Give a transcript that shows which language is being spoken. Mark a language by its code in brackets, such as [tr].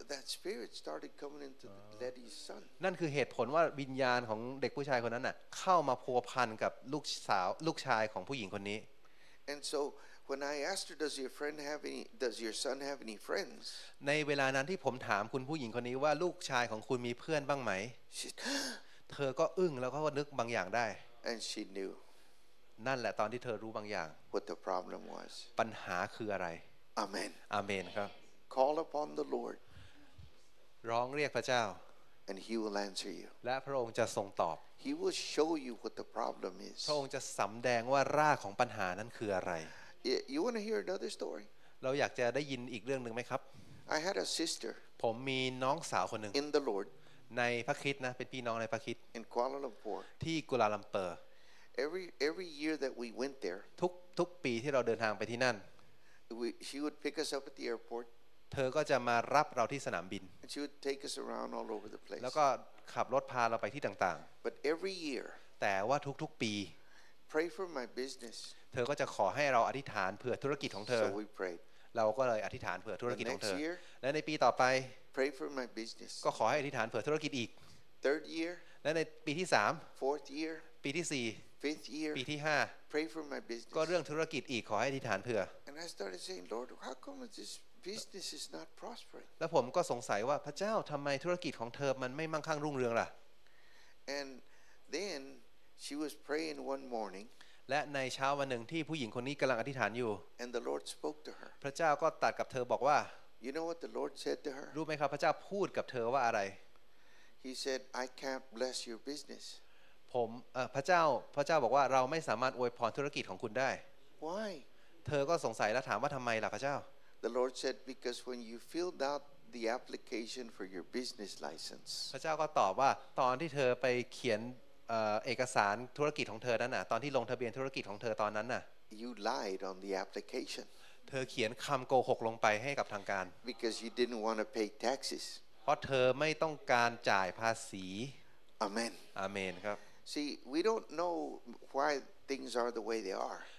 [en] That spirit started coming into Letty's son [th] นั่นคือเหตุผลว่าวิญญาณของเด็กผู้ชายคนนั้นน่ะเข้ามาพัวพันกับลูกสาวลูกชายของผู้หญิงคนนี้ [en] And so when I asked her does your son have any friends [th] ในเวลานั้นที่ผมถามคุณผู้หญิงคนนี้ว่าลูกชายของคุณมีเพื่อนบ้างไหมเธอก็อึ้งแล้วก็นึกบางอย่างได้ [en] And she knew. [th] นั่นแหละตอนที่เธอรู้บางอย่าง [en] What the problem was. [th] ปัญหาคืออะไร [en] Amen. [th] Amen ครับ [en] Call upon the Lord. [th] ร้องเรียกพระเจ้า [en] And he will answer you. [th] และพระองค์จะทรงตอบ [en] He will show you what the problem is. [th] พระองค์จะสำแดงว่ารากของปัญหานั้นคืออะไร [en] You want to hear another story? [th] เราอยากจะได้ยินอีกเรื่องนึงไหมครับ [en] I had a sister. [th] ผมมีน้องสาวคนนึง [en] In the Lord. [th] ในพระคริสต์นะเป็นพี่น้องในพระคริสต์ ที่กัวลาลัมเปอร์ [en] every year that we went there [th] ทุกปีที่เราเดินทางไปที่นั่น [en] she would pick us up at the airport [th] เธอก็จะมารับเราที่สนามบิน [en] she would take us around all over the place [th] แล้วก็ขับรถพาเราไปที่ต่าง [en] ๆ but every year [th] แต่ว่าทุกปี [en] pray for my business [th] เธอก็จะขอให้เราอธิษฐานเพื่อธุรกิจของเธอ [en] so we prayed [th] เราก็เลยอธิษฐานเพื่อธุรกิจของเธอและในปีต่อไป [en] Pray for my business. [th] ก็ขอให้อธิษฐานเผื่อธุรกิจอีก [en] Third year. [th] และในปีที่3 [en] Fourth year. [th] ปีที่4 [en] Fifth year. [th] ปีที่5 [en] Pray for my business. [th] ก็เรื่องธุรกิจอีกขอให้อธิษฐานเผื่อ [en] And I started saying, Lord, how come this business is not prospering? [th] แล้วผมก็สงสัยว่าพระเจ้าทำไมธุรกิจของเธอมันไม่มั่งคั่งรุ่งเรืองล่ะ [en] And then she was praying one morning. [th] และในเช้าวันหนึ่งที่ผู้หญิงคนนี้กำลังอธิษฐานอยู่ [en] And the Lord spoke to her. [th] พระเจ้าก็ตรัสกับเธอบอกว่า [en] You know what the Lord said to her? [th] รู้ไหมครับพระเจ้าพูดกับเธอว่าอะไร [en] He said, "I can't bless your business." [th] ผมพระเจ้าบอกว่าเราไม่สามารถอวยพรธุรกิจของคุณได้ [en] Why? [th] เธอก็สงสัยและถามว่าทำไมล่ะพระเจ้า [en] The Lord said, "Because when you filled out the application for your business license." [th] พระเจ้าก็ตอบว่าตอนที่เธอไปเขียนเอกสารธุรกิจของเธอนั้นน่ะตอนที่ลงทะเบียนธุรกิจของเธอตอนนั้นน่ะ [en] You lied on the application. [th] เธอเขียนคำโกหกลงไปให้กับทางการ [en] Because you didn't want to pay taxes [th] เพราะเธอไม่ต้องการจ่ายภาษี [en] Amen [th] Amen ครับ [en] See we don't know why things are the way they are